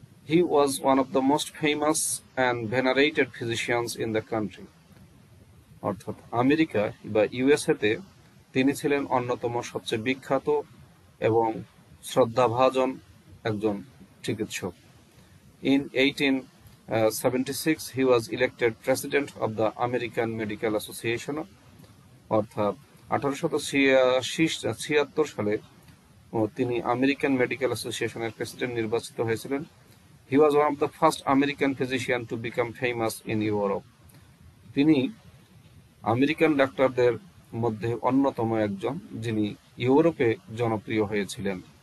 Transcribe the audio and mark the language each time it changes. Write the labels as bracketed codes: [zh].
[en] he was one of the most famous and venerated physicians in the country, [bn] অর্থাৎ America বা ইউএসএতে তিনি ছিলেন অন্যতম সবচেয়ে বিখ্যাত এবং শ্রদ্ধাভাজন একজন চিকিৎসক। [en] in 1876 he was elected president of the American medical association, [bn] অর্থাৎ 1876-76 সালে তিনি আমেরিকান মেডিকেল অ্যাসোসিয়েশনের প্রেসিডেন্ট নির্বাচিত হয়েছিলেন। [en] He was one of the first American physicians to become famous in Europe. [bn] তিনি আমেরিকান ডাক্তারদের মধ্যে অন্যতম একজন যিনি ইউরোপে জনপ্রিয় হয়েছিলেন।